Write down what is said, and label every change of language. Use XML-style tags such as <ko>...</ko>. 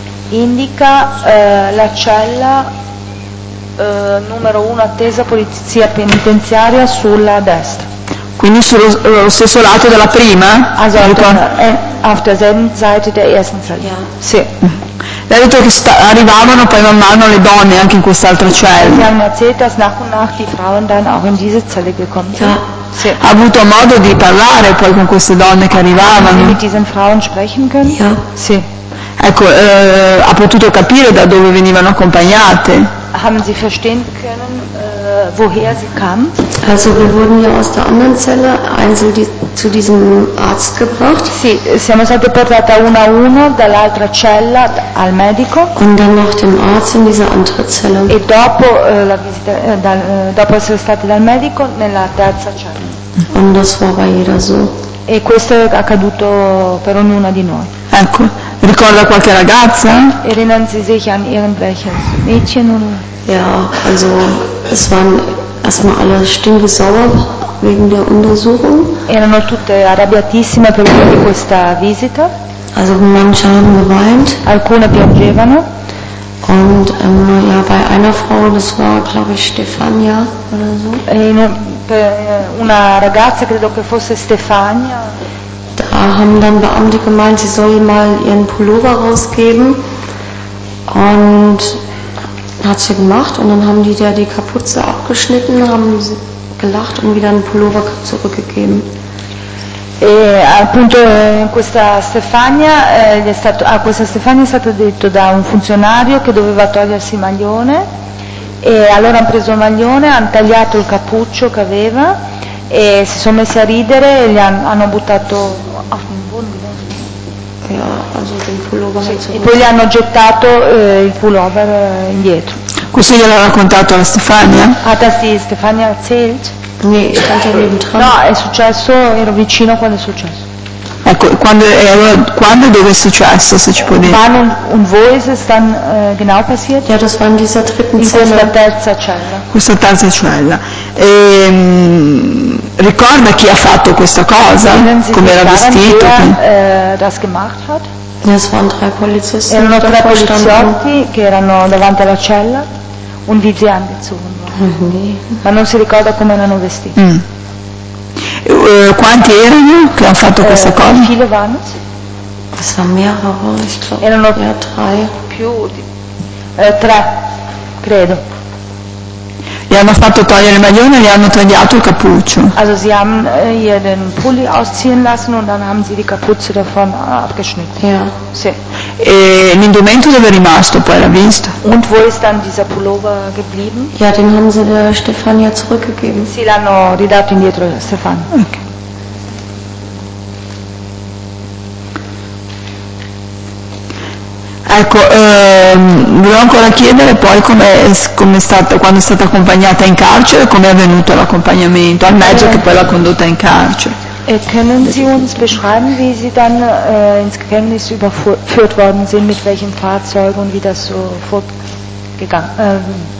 <it>Indica la cella numero 1 attesa polizia penitenziaria sulla destra. Quindi sullo stesso lato della prima? Esatto,</it> <de>auf derselben Seite der ersten Zelle.</de> <en>Yeah.</en> <it>Sì. Lei ha detto che arrivavano poi man mano le donne anche in quest'altra cella.</it> <de>Sie haben erzählt, dass nach und nach die Frauen dann auch in diese Zelle gekommen sind.</de> <en>Yeah.</en> <it>Sì. Ha avuto modo di parlare poi con queste donne che arrivavano?</it> <de>Mit diesen Frauen sprechen können?</de> <en>Yeah.</en> <it>Sì. Ecco, ha potuto capire da dove venivano accompagnate.</it> <de>Haben Sie verstehen können, woher sie kamen? Also wir wurden ja aus der anderen Zelle einzeln zu diesem Arzt gebracht.</de> <it>Sì, siamo state portate una a una dall'altra cella al medico.</it> <de>Und dann noch dem Arzt in diese andere Zelle.</de> <it>E dopo la visita, dopo essere state dal medico nella terza cella.</it> <de>Und das war bei jeder so.</de> <it>E questo è accaduto per ognuna di noi. Ecco. Ricorda qualche ragazza?</it> <de>Erinnern Sie sich an irgendwelches Mädchen oder? Ja, also es waren erstmal alle stinksauer wegen der Untersuchung.</de> <it>Erano tutte arrabbiatissime per via di questa visita.</it> <de>Also manche haben geweint.</de> <it>Alcune piangevano.</it> <de>Und ja, bei einer Frau, das war glaube ich Stefania oder so.</de> <it>Una ragazza, credo che fosse Stefania.</it> <de>Da haben dann Beamte gemeint, sie soll mal ihren Pullover rausgeben. Und hat sie gemacht. Und dann haben die da die Kapuze abgeschnitten, haben sie gelacht und wieder einen Pullover zurückgegeben.</de> <it>E appunto questa Stefania, questa Stefania è stato detto da un funzionario che doveva togliersi il maglione. E allora hanno preso il maglione, hanno tagliato il cappuccio che aveva e si sono messi a ridere e gli hanno buttato. E poi gli hanno gettato il pullover indietro. Questo glielo ha raccontato la Stefania? Ah, sì, Stefania ha erzählt. No, è successo, ero vicino quando è successo. Ecco, quando e dove è successo, se ci può dire?</it> <de>Wann und wo ist es dann genau passiert? Ja, das war in dieser dritten Zelle.</de> <it>In questa terza cella. Questa terza cella. E, ricorda chi ha fatto questa cosa, come era vestito?</it> <de>Wer, das gemacht hat? Es waren drei Polizisten.</de> <it>Erano tre poliziotti che erano davanti alla cella.</it> <de>Und wie sie angezogen waren.</de> <it>Ma non si ricorda come erano vestiti. Mm. Quanti erano che hanno fatto questa cosa?</it> <de>Viele waren es? Es waren mehrere, ich glaube.</de> <it>Erano</it> <de>ja, drei.</de> <it>Più di tre, credo. Gli hanno fatto togliere il maglione e gli hanno tagliato il cappuccio.</it> <de>Also sie haben hier den Pulli ausziehen lassen und dann haben sie die Kapuze davon abgeschnitten. Ja. Sì.</de> <it>E l'indumento dove è rimasto poi l'ha visto?</it> <de>Und wo ist dann dieser Pullover geblieben? Ja, den haben sie der Stefania zurückgegeben.</de> <it>Sì, l'hanno ridato indietro a Stefania. Ok. Ecco, volevo ancora chiedere poi quando è stata accompagnata in carcere, come è avvenuto l'accompagnamento, al mezzo che poi l'ha condotta in carcere.</it> <de>E können Sie uns beschreiben, wie Sie dann ins Gefängnis überführt worden sind, mit welchem Fahrzeug und wie das so vorgegangen,</de>